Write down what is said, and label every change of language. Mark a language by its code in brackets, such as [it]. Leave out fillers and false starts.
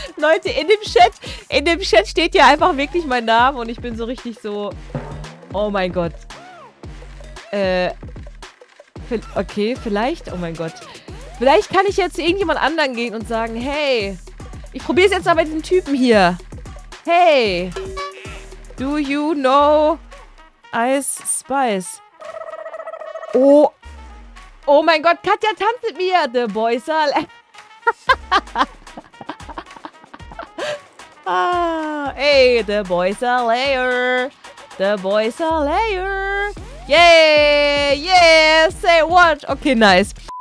[de] Leute, in dem Chat steht ja einfach wirklich mein Name und ich bin so richtig so... Oh mein Gott. Okay, vielleicht... Oh mein Gott. Vielleicht kann ich jetzt zu irgendjemand anderen gehen und sagen, hey, ich probiere es jetzt mal mit diesem Typen hier. [en] Hey, do you know Ice Spice? Oh... [de] Oh mein Gott, Katja tanzt mit mir. [en] The boys are... Ah, ey, the boys are layer. The boys are layer. Yeah, say what? Okay, nice.